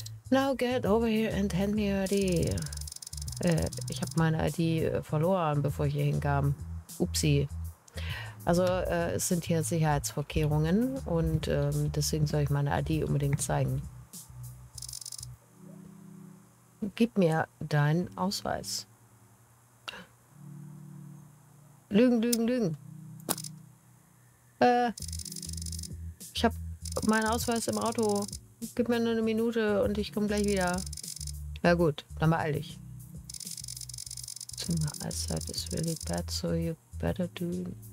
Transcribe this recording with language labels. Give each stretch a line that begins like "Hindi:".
English: Now get over here and hand me your ID.
German: Ich habe meine ID verloren, bevor ich hier hinkam. Upsi. Also es sind hier Sicherheitsvorkehrungen und deswegen soll ich meine ID unbedingt zeigen. Gib mir deinen Ausweis. Lügen, Lügen, Lügen. Ich habe meinen Ausweis im Auto. Gib mir nur eine Minute und ich komme gleich wieder. Na gut, dann beeil dich.
English: My eyesight is really bad, so you better do